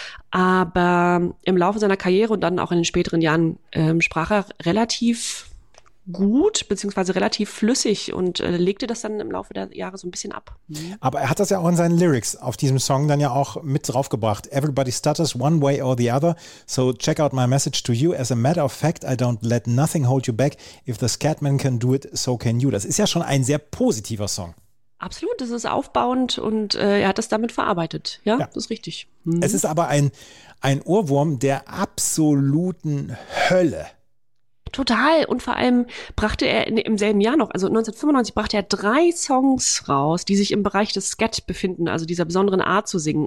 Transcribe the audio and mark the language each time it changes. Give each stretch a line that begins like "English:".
German: Aber im Laufe seiner Karriere und dann auch in den späteren Jahren sprach er relativ gut, beziehungsweise relativ flüssig und legte das dann im Laufe der Jahre so ein bisschen ab. Aber er hat das ja auch in seinen Lyrics auf diesem Song dann ja auch mit draufgebracht.
English: Everybody stutters one way or the other, so check out my message to you. As a matter of fact, I don't let nothing hold you back. If the Scatman can do it, so can you.
German: Das ist ja schon ein sehr positiver Song. Absolut, das ist aufbauend und er hat das damit verarbeitet. Ja, ja. Das ist richtig. Mhm. Es ist aber ein Ohrwurm der absoluten Hölle. Total. Und vor allem brachte er im selben Jahr noch, also 1995, brachte er 3 Songs raus, die sich im Bereich des Scat befinden, also dieser besonderen Art zu singen.